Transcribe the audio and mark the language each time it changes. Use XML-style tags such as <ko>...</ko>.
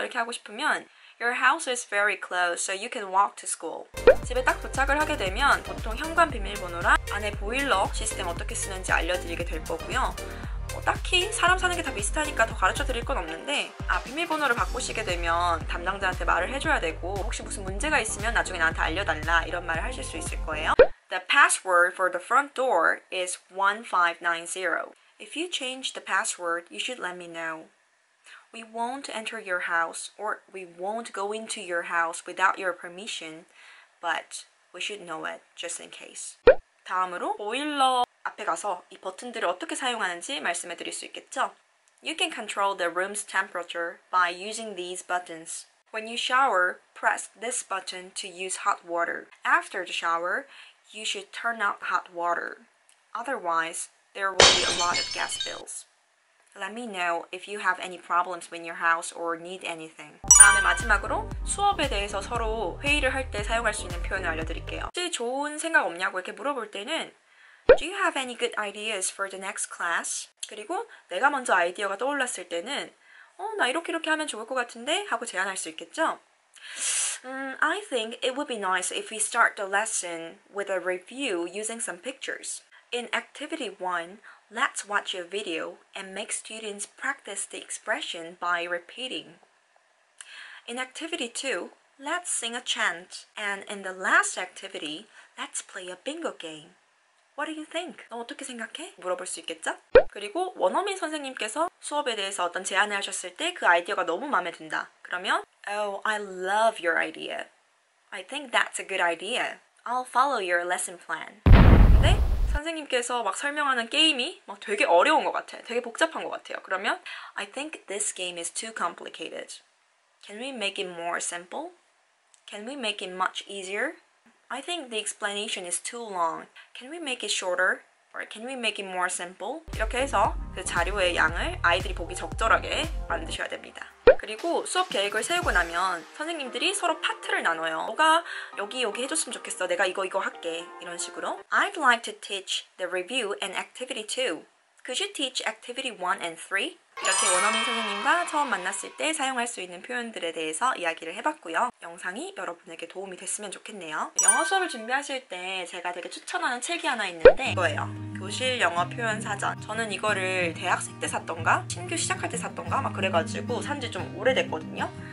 <ko>이렇게 하고 싶으면</ko> <en>Your house is very close, so you can walk to school.</en> <ko>집에 딱 도착을 하게 되면 보통 현관 비밀번호랑 안에 보일러 시스템 어떻게 쓰는지 알려드리게 될 거고요. 딱히 사람 사는 게 다 비슷하니까 더 가르쳐 드릴 건 없는데 비밀번호를 바꾸시게 되면 담당자한테 말을 해줘야 되고 혹시 무슨 문제가 있으면 나중에 나한테 알려달라 이런 말을 하실 수 있을 거예요.</ko> <en>The password for the front door is 1590. If you change the password, you should let me know. We won't enter your house or we won't go into your house without your permission, but we should know it just in case. 다음으로 보일러 앞에 가서 이 버튼들을 어떻게 사용하는지 말씀해 드릴 수 있겠죠? You can control the room's temperature by using these buttons. When you shower, press this button to use hot water. After the shower, you should turn off hot water. Otherwise, there will be a lot of gas bills. Let me know if you have any problems in your house or need anything.</en> <ko>다음에 마지막으로 수업에 대해서 서로 회의를 할 때 사용할 수 있는 표현을 알려드릴게요. 혹시 좋은 생각 없냐고 이렇게 물어볼 때는</ko> <en>Do you have any good ideas for the next class?</en> <ko>그리고 내가 먼저 아이디어가 떠올랐을 때는 나 이렇게 이렇게 하면 좋을 것 같은데? 하고 제안할 수 있겠죠?</ko> <en>I think it would be nice if we start the lesson with a review using some pictures. In activity 1, let's watch a video and make students practice the expression by repeating. In activity 2, let's sing a chant. And in the last activity, let's play a bingo game. What do you think?</en> <ko>너 어떻게 생각해? 물어볼 수 있겠죠? 그리고 원어민 선생님께서 수업에 대해서 어떤 제안을 하셨을 때 그 아이디어가 너무 마음에 든다. 그러면</ko> <en>Oh, I love your idea. I think that's a good idea. I'll follow your lesson plan.</en> <ko>근데 선생님께서 막 설명하는 게임이 막 되게 어려운 것 같아. 되게 복잡한 것 같아요. 그러면</ko> <en>I think this game is too complicated. Can we make it more simple? Can we make it much easier? I think the explanation is too long. Can we make it shorter? Or can we make it more simple?</en> <ko>이렇게 해서 그 자료의 양을 아이들이 보기 적절하게 만드셔야 됩니다. 그리고 수업 계획을 세우고 나면 선생님들이 서로 파트를 나눠요. 너가 여기 여기 해줬으면 좋겠어. 내가 이거 이거 할게. 이런 식으로.</ko> <en>I'd like to teach the review and activity 2. Could you teach activity 1 and 3?</en> <ko>이렇게 원어민 선생님과 처음 만났을 때 사용할 수 있는 표현들에 대해서 이야기를 해봤고요. 영상이 여러분에게 도움이 됐으면 좋겠네요. 영어 수업을 준비하실 때 제가 되게 추천하는 책이 하나 있는데 이거예요. 교실 영어 표현 사전. 저는 이거를 대학생 때 샀던가 신규 시작할 때 샀던가 막 그래가지고 산 지 좀 오래됐거든요.</ko>